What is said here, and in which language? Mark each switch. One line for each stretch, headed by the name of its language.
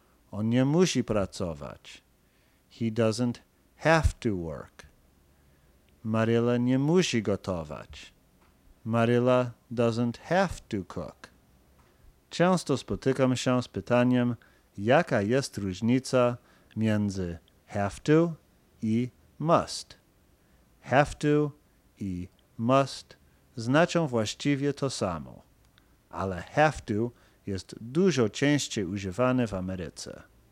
Polish: On nie musi pracować.
English: He doesn't have to work.
Polish: Maryla nie musi gotować.
English: Maryla doesn't have to cook.
Polish: Często spotykam się z pytaniem, jaka jest różnica między have to i must. Have to i must znaczą właściwie to samo, ale have to jest dużo częściej używane w Ameryce.